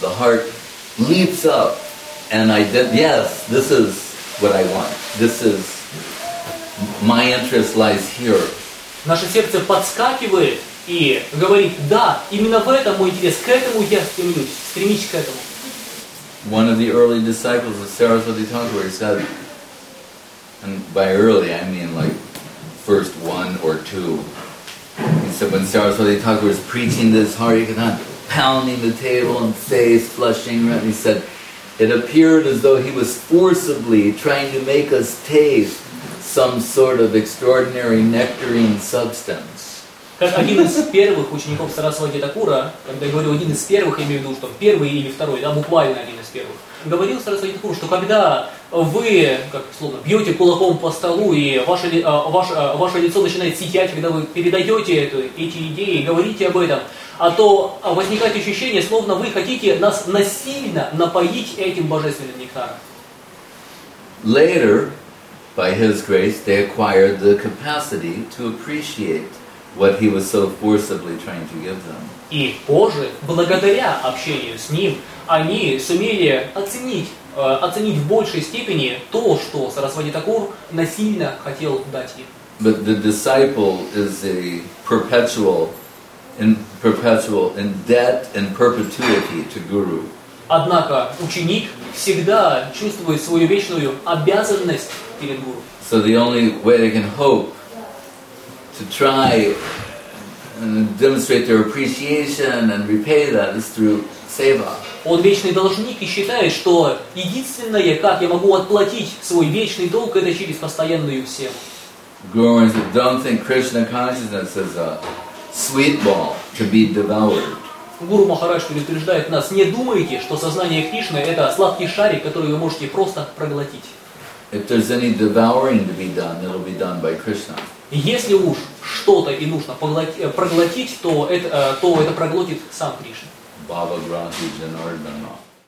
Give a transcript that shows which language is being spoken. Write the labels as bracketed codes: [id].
[en] The heart leaps up and yes, this is what I want. This is my interest lies here. [ru] Наше сердце подскакивает и говорит: да, именно в этом мой интерес. К этому я стремлюсь. Стремись к этому. [en] One of the early disciples of Saraswati Thakur said, and by early I mean like first one or two. He said when Saraswati Thakur was preaching this Hari Katha, pounding the table and face flushing red, he said, it appeared as though he was forcibly trying to make us taste some sort of extraordinary nectarine substance. [ru] Как один из первых учеников Сарасвати Такура, когда я говорю один из первых, я имею в виду, что первый или второй, да, буквально один из первых, говорил Сарасвати Такуру, что когда вы, как словно, бьете кулаком по столу, и ваше лицо начинает сиять, когда вы передаете эти идеи, говорите об этом, а то возникает ощущение, словно вы хотите нас насильно напоить этим божественным нектаром. [en] Later, by His grace, they acquired the capacity to appreciate what He was so forcibly trying to give them. [ru] И позже, благодаря общению с Ним, они сумели оценить в большей степени то, что Сарасвати Такур насильно хотел дать им. [en] But the disciple is a perpetual in debt and perpetuity to Guru. [ru] Однако ученик всегда чувствует свою вечную обязанность. [en] So the only way they can hope to try and demonstrate their appreciation and repay that is through seva. [ru] Он вечный должник и считает, что единственное, как я могу отплатить свой вечный долг, это через постоянную севу. [en] Guru says, "Don't think Krishna consciousness is a sweet ball to be devoured." [ru] Гуру Махарадж предупреждает нас: не думайте, что сознание Кришны это сладкий шарик, который вы можете просто проглотить. [en] If there's any devouring to be done, it'll be done by Krishna. [ru] Если уж что-то и нужно проглотить, то это проглотит сам Кришна. [sa] Бхава-грахи-джанарданах.